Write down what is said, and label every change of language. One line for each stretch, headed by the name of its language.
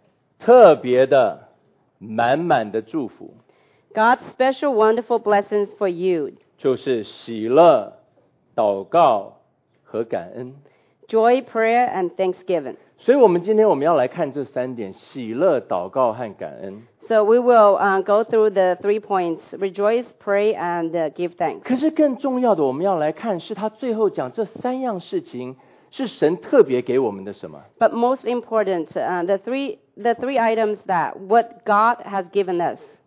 Chinese: 神给你的特别的满满的祝福
English: God's special wonderful blessings for you
Chinese: 就是喜乐、祷告和感恩
English: Joy, prayer, and thanksgiving
Chinese: 所以我们今天我们要来看这三点,喜乐,祷告和感恩。
English: So we will go through the three points, rejoice, pray, and give thanks.
Chinese: 可是更重要的我们要来看,是他最后讲这三样事情,是神特别给我们的什么?
English: But most important, the three items that what God has given us.